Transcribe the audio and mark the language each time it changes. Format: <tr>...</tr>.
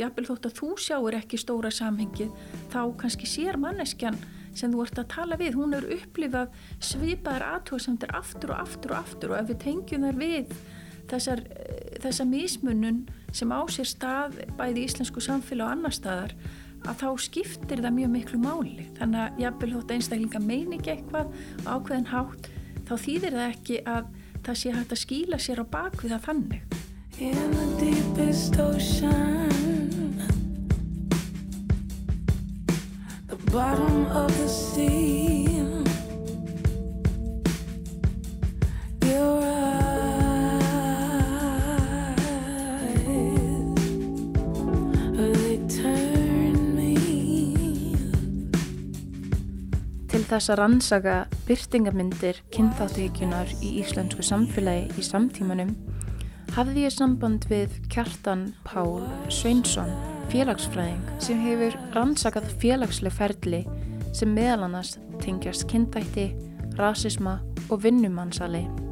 <is>Jafnvel þótt að þú sjáir ekki stóra samhengið þá kannski sér manneskjan sem þú ert að tala við, hún er upplifað svipaðar athugasemdir aftur og aftur og aftur og ef við tengjum þær við þessa mismunun sem á sér stað bæði íslensku samfélag og annar staðar að þá skiptir það mjög miklu máli. Þannig að jafnvel þótt einstaklinga meiningi eitthvað ákveðin hátt þá þýðir það ekki að það sé hægt að skýla sér á bak við það þannig.</is> <en>In the deepest ocean bottom of the sea your eyes they turn me.</en> <is>Til þess að rannsaka birtingamyndir kynþáttahyggjunnar í íslensku samfélagi í samtímanum hafði ég samband við Kjartan Pál Sveinsson félagsfræðing sem hefur rannsakað félagsleg ferli sem meðal annars tengjast kynþætti, rasisma og vinnumansali.</is>